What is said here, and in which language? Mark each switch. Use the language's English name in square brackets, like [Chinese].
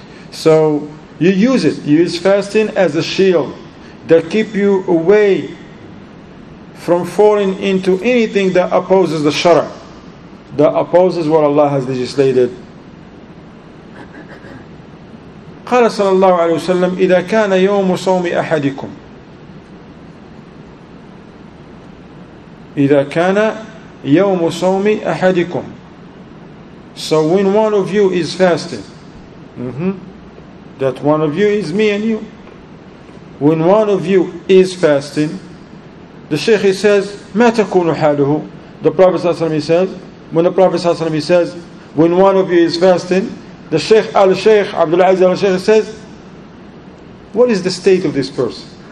[English] So you use it. You use fasting as a shield that keep you away from falling into anything that opposes the shara, that opposes what Allah has legislated. [Arabic] قال صلى الله عليه وسلم إذا كان يوم صوم أحدكم إذا كان يوم صوم أحدكم. [English] So when one of you is fasting, that one of you is me and you. When one of you is fasting, the Shaykh says, [Arabic] مَا تَكُونُ حَالُهُ. [English] The Prophet ﷺ, he says, when the Prophet ﷺ, he says, when one of you is fasting, the Shaykh al-Shaykh, Abdul Aziz al-Shaykh says, what is the state of this person?